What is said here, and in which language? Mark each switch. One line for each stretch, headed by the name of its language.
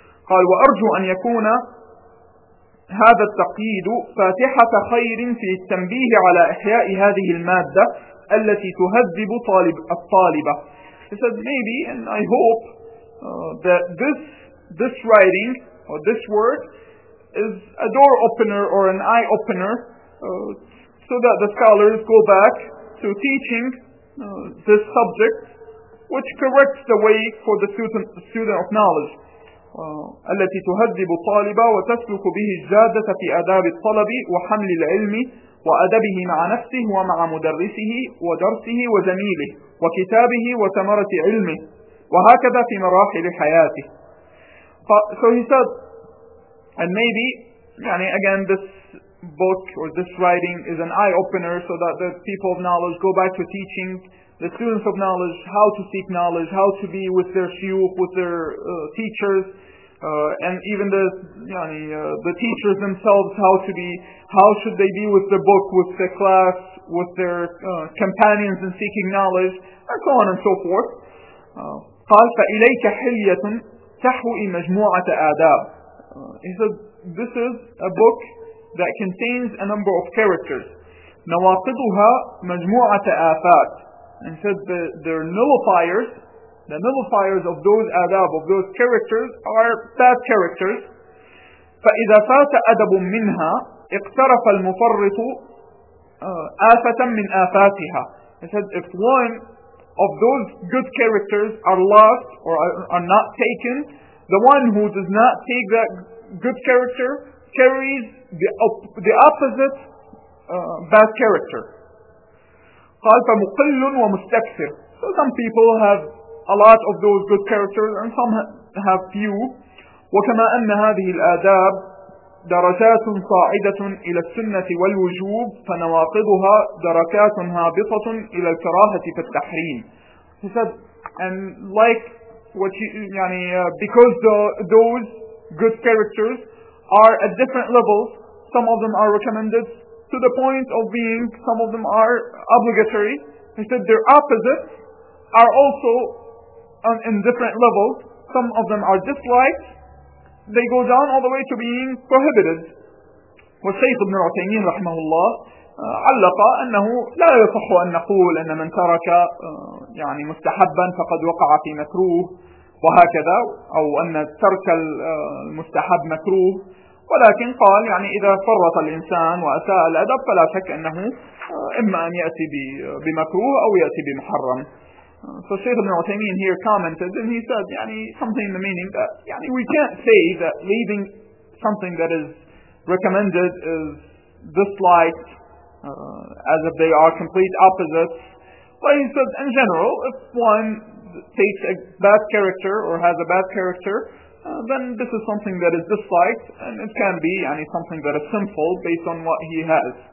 Arabic: قال وأرجو أن يكون هذا التقييد فاتحة خير في التنبيه على إحياء هذه المادة التي تهذب الطالبة.
English: He said, maybe, and I hope that this writing or this word is a door opener or an eye opener so that the scholars go back to teaching this subject, which corrects the way for the student of knowledge.
Arabic: التي تهذب الطالب وتسلك به الجادة في آداب الطلب وحمل العلم وأدبه مع نفسه ومع مدرسه ودرسه وزميله وكتابه وثمرة علمه وهكذا في مراحل حياته.
English: So he said, and maybe, يعني again, this book or this writing is an eye-opener so that the people of knowledge go back to teaching the students of knowledge how to seek knowledge, how to be with their shuyukh, with their teachers, and even the teachers themselves, how should they be with the book, with the class, with their companions in seeking knowledge, and so on and so forth.
Arabic: قال فإليك حلية تحوي مجموعة آداب.
English: He said, this is a book that contains a number of characters.
Arabic: نواقضها مجموعة آفات.
English: And said they're nullifiers. The nullifiers of those adab, of those characters, are bad characters.
Arabic: فإذا فات أدب منها اقترف المفرط آفة من آفاتها.
English: He said, if one of those good characters are lost or are not taken, the one who does not take that good character carries the opposite bad character.
Arabic: قال فمقل ومستكثر.
English: So some people have a lot of those good characters and some have few.
Arabic: وكما أن هذه الآداب درجات صاعدة إلى السنة والوجوب فنواقضها دركات هابطة إلى الكراهة في التحريم.
English: He said, and like what you, يعني, because those good characters are at different levels, some of them are recommended to the point of being, some of them are obligatory. He said their opposites are also in different levels. Some of them are disliked. They go down all the way to being prohibited.
Arabic: وشيخ ابن عثيمين رحمه الله علق أنه لا يصح أن نقول أن من ترك يعني مستحبا فقد وقع في مكروه وهكذا أو أن ترك المستحب مكروه ولكن قال يعني إذا فرط الإنسان وأساء الأدب فلا شك أنه إما أن يأتي بمكروه أو يأتي بمحرم.
English: So Shaykh ibn Uthaymeen here commented and he said يعني something in the meaning that يعني we can't say that leaving something that is recommended is disliked as if they are complete opposites. But he said in general if one takes a bad character or has a bad character then this is something that is disliked and it can be يعني something that is sinful based on what he has.